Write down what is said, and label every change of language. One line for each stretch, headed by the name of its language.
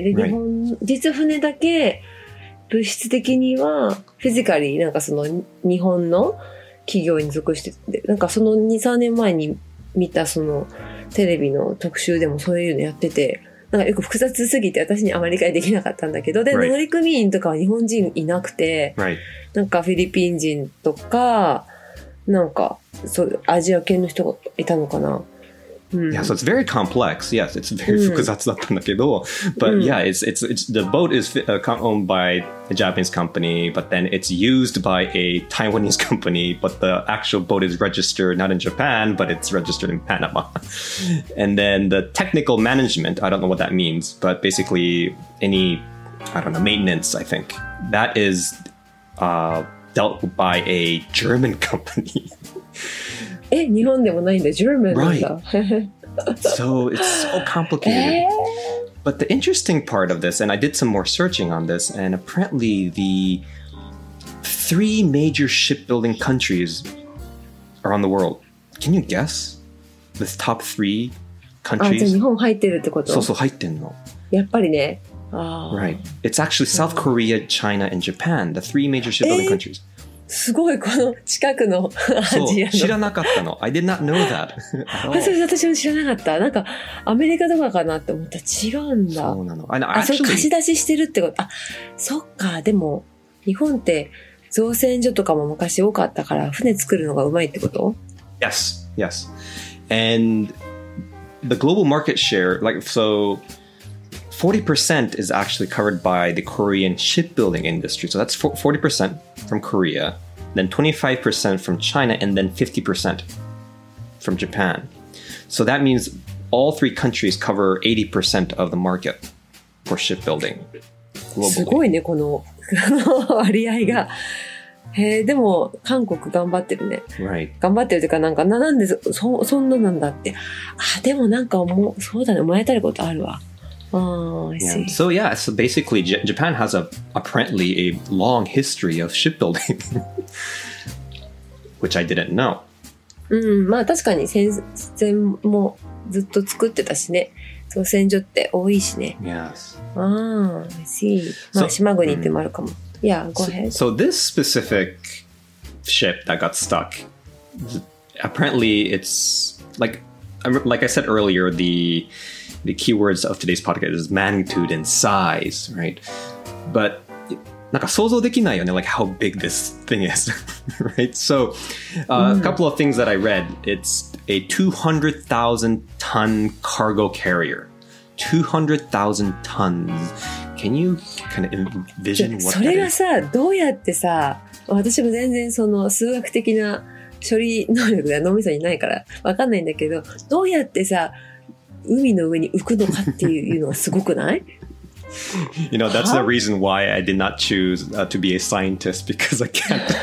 Japanese: で、日本、実は船だけ物質的にはフィジカリーなんかその日本の企業に属してて、なんかその2、3年前に見たそのテレビの特集でもそういうのやってて、なんかよく複雑すぎて私にあまり理解できなかったんだけど、で、乗組員とかは日本人いなくて、なんかフィリピン人とか、なんかそうアジア系の人がいたのかな。
English: Yeah, so it's very complex. Yes, it's very
Japanese: 複雑だったんだけど、
English: but yeah, it's the boat is owned by a Japanese company, but then it's used by a Taiwanese company, but the actual boat is registered not in Japan, but it's registered in Panama. And then the technical management, I don't know what that means, but basically any, I don't know, maintenance, I think, that is dealt by a German company.
Japanese: え、日本でもないんだ。ジェルマンだ。
English: Right. So, it's so complicated. But the interesting part of this, and I did some more searching on this, and apparently the three major shipbuilding countries around the world. Can you guess? The top three countries?
Japanese: あ、じゃあ日本入ってるってこと？そうそう、入ってんの。やっぱりね。
English: あ、right. It's actually South Korea, China, and Japan, the three major shipbuilding countries.
Japanese: すごいこの近くのアジアの知らなかったの
English: I did not know that
Japanese: あ、それ私も知らなかったなんかアメリカとかかなって思ったら違うんだそうなのあ、それ貸し出ししてるってことあ、そっかでも日本って造船所とかも昔多かったから船作るのがうまいってこと
English: Yes, yes And the global market share like so 40% is actually covered by the Korean shipbuilding industry So that's 40%from Korea, then 25% from China, and then 50% from Japan. So that means all three countries cover 80% of the market for shipbuilding globally.
Japanese: すごいね、この割合が。へー、でも韓国頑張ってるね。
English: Right.
Japanese: 頑張ってるというか、なんか、なんで そんななんだって。あ、でもなんかもう、そうだね、燃えたることあるわ。
English: Yeah. So yeah, so basically Japan has apparently a long history of shipbuilding, which I didn't know.
Japanese: まあ確かに戦船もずっと作ってたしね。造船所って多いしね。
English: Yes. I see.
Japanese: まあ島国ってもあるかも。
English: Yeah, go ahead. So this specific ship that got stuck, apparently it's like I said earlier, The keywords of today's podcast is magnitude and size, right? But,
Japanese: なんか想像できないよね,
English: like how big this thing is, right? So, a couple of things that I read, it's a 200,000 ton cargo carrier. 200,000 tons. Can you kind of envision what that is?
Japanese: それがさ、どうやってさ、私も全然その数学的な処理能力が脳みそにないから、わかんないんだけど、どうやってさ、海の上に浮くのかっていうのはすごくない?
English: You know, that's the reason why I did not choose to be a scientist because I can't.